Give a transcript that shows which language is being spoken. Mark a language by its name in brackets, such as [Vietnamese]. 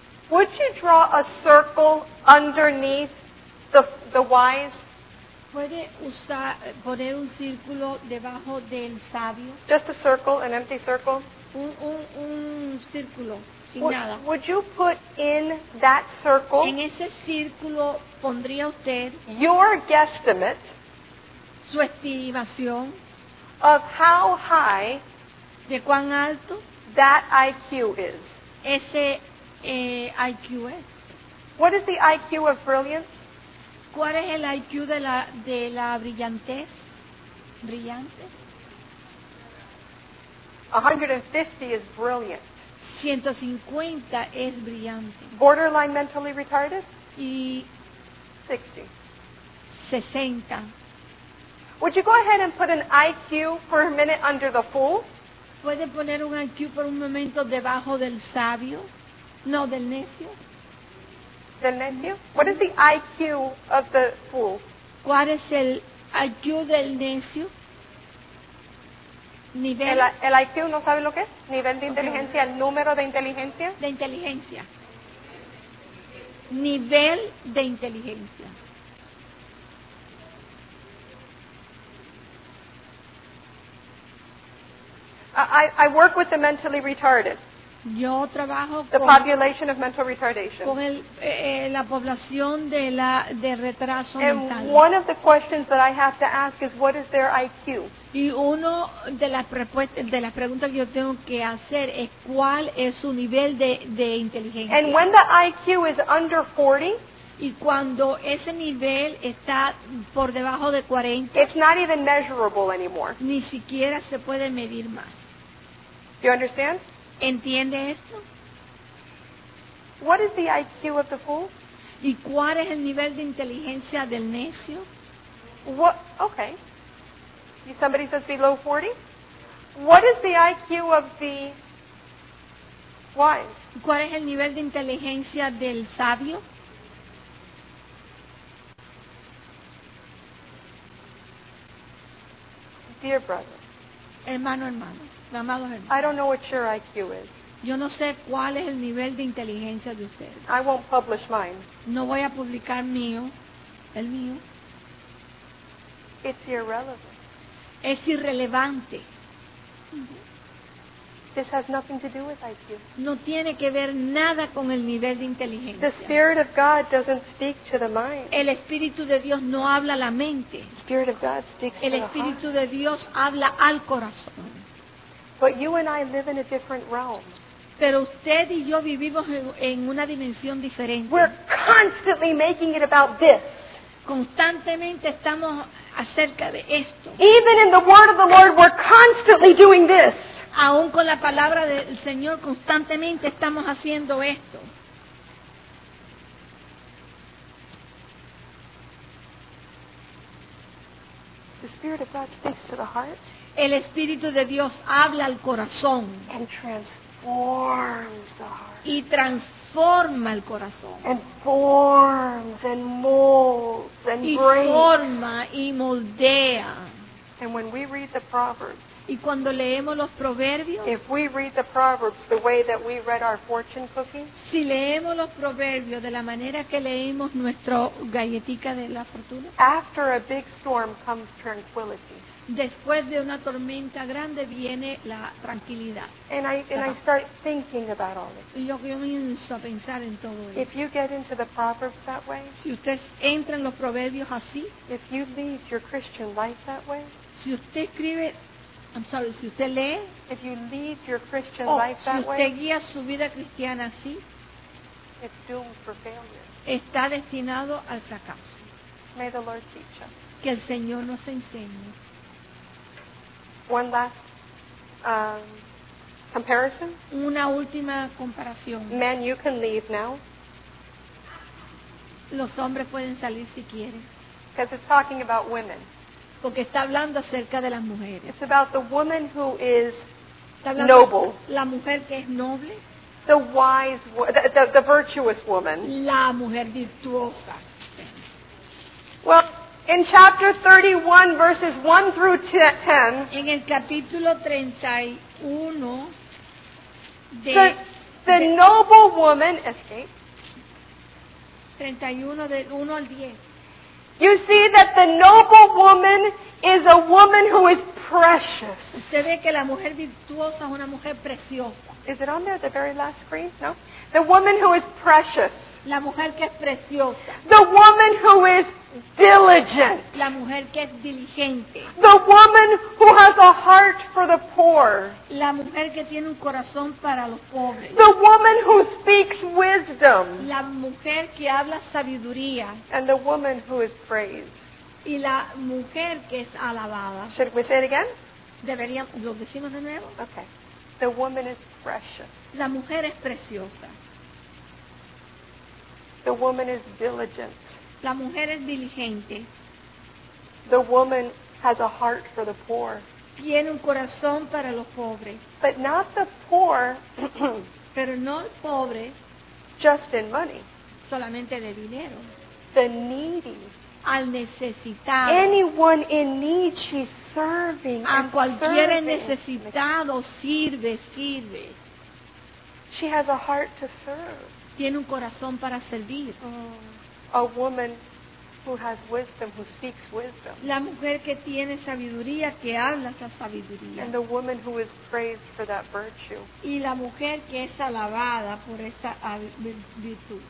[English] Would you draw a circle underneath the wise? [Spanish] ¿Puede usted poner un círculo debajo del sabio? [English] Just a circle, an empty circle. [Spanish] Un círculo. [English] Would you put in that circle? [Spanish] En ese círculo pondría usted. [English] Your guesstimate. [Spanish] Su estimación [English] of how high [Spanish] de cuán alto [English] that IQ is. [Spanish] Ese IQ es. [English] What is the IQ of brilliance? [Spanish] ¿Cuál es el IQ de la brillantez? Brillante. [English] 150 is brilliant. [Spanish] 150 es brillante. [English] Borderline mentally retarded? [Spanish] Y 60. 60. [English] Would you go ahead and put an IQ for a minute under the fool? [Spanish] ¿Puede poner un IQ por un momento debajo del sabio? No, del necio. ¿Del necio? [English] What is the IQ of the fool? [Spanish] ¿Cuál es el IQ del necio? ¿Nivel? El IQ, ¿no sabe lo que es? ¿Nivel de inteligencia? Okay. ¿El número de inteligencia? De inteligencia. Nivel de inteligencia. [English] I work with the mentally retarded. [Spanish] Yo trabajo con [English] the population of mental retardation. [Spanish] Con la población de retraso [English] and [Spanish] mental. [English] And one of the questions that I have to ask is, what is their IQ? [Spanish] Y uno de las preguntas que yo tengo que hacer es, ¿cuál es su nivel de inteligencia? [English] And when the IQ is under 40, [Spanish] y cuando ese nivel está por debajo de 40, [English] it's not even measurable anymore. [Spanish] Ni siquiera se puede medir más. [English] Do you understand? [Spanish] ¿Entiende esto? [English] What is the IQ of the fool? [Spanish] ¿Y cuál es el nivel de inteligencia del necio? [English] What? Okay. Somebody says below 40. What is the IQ of the wise? [Spanish] ¿Cuál es el nivel de inteligencia del sabio? [English] Dear brother. [Spanish] Hermano, hermano. [English] I don't know what your IQ is. [Spanish] Yo no sé cuál es el nivel de inteligencia de usted. [English] I won't publish mine. [Spanish] No voy a publicar mío, el mío. [English] It's irrelevant. [Spanish] Es irrelevante. [English] This has nothing to do with IQ. [Spanish] No tiene que ver nada con el nivel de inteligencia. [English] The Spirit of God doesn't speak to the mind. [Spanish] El Espíritu de Dios no habla a la mente. [English] The Spirit of God speaks to the heart. [Spanish] El Espíritu de Dios habla al corazón. [English] But you and I live in a different realm. [Spanish] Pero usted y yo vivimos en una dimensión diferente. [English] We're constantly making it about this. [Spanish] Constantemente estamos acerca de esto. [English] Even in the word of the Lord, we're constantly doing this. [Spanish] Aún con la palabra del Señor, constantemente estamos haciendo esto. [English] The Spirit of God speaks to the heart. [Spanish] El Espíritu de Dios habla al corazón. [English] And transforms the heart. [Spanish] Y transforma el corazón. [English] And forms and molds and breaks. [Spanish] Y forma y moldea. [English] And when we read the Proverbs, [Spanish] y cuando leemos los proverbios, [English] if we read the Proverbs the way that we read our fortune cookie, [Spanish] si leemos los proverbios de la manera que leemos nuestra galletica de la fortuna, [English] after a big storm comes tranquility. [Spanish] Después de una tormenta grande viene la tranquilidad. [English] And I start thinking about all this. [Spanish] Y yo comienzo a pensar en todo esto. [English] If you get into the Proverbs that way, [Spanish] si usted entra en los proverbios así, [English] if you lead your Christian life that way, [Spanish] si usted escribe, [English] I'm sorry, [Spanish] si usted lee, [English] if you lead your Christian life that way, [Spanish] si usted guía su vida cristiana así, [English] it's doomed for failure. [Spanish] Está destinado al fracaso. [English] May the Lord teach us. [Spanish] Que el Señor nos enseñe. [English] One last comparison. [Spanish] Una última comparación. [English] Men, you can leave now. [Spanish] Los hombres pueden salir si quieren. [English] Because it's talking about women. [Spanish] Porque está hablando acerca de las mujeres. [English] It's about the woman who is [Spanish] noble. La mujer que es noble. [English] The wise, the virtuous woman. [Spanish] La mujer virtuosa. [English] Well, in chapter 31, verses 1 through 10. [Spanish] En el capítulo 31 de [English] the noble woman escape. [Spanish] 31 del 1 al 10. [English] You see that the noble woman is a woman who is precious. [Spanish] Usted ve que la mujer virtuosa es una mujer preciosa. [English] Is it on there at the very last screen? No. The woman who is precious. [Spanish] La mujer que es preciosa. [English] The woman who is diligent. [Spanish] La mujer que es diligente. [English] The woman who has a heart for the poor. [Spanish] La mujer que tiene un corazón para los pobres. [English] The woman who speaks wisdom. [Spanish] La mujer que habla sabiduría. [English] And the woman who is praised. [Spanish] Y la mujer que es alabada. [English] Should we say it again? [Spanish] Deberíamos, ¿lo decimos de nuevo? [English] Okay. The woman is precious. [Spanish] La mujer es preciosa. [English] The woman is diligent. [Spanish] La mujer es diligente. [English] The woman has a heart for the poor. [Spanish] Tiene un corazón para los pobres. [English] But not the poor. [Spanish] Pero no el pobre. [English] Just in money. [Spanish] Solamente de dinero. [English] The needy. [Spanish] Al necesitado. [English] Anyone in need, she's serving. [Spanish] A cualquiera necesitado, sirve, sirve. [English] She has a heart to serve. [Spanish] Tiene un corazón para servir. [English] Oh, a woman who has wisdom, who speaks wisdom. [Spanish] La mujer que tiene sabiduría, que habla esa sabiduría. [English] And the woman who is praised for that virtue. [Spanish] Y la mujer que es alabada por esa virtud.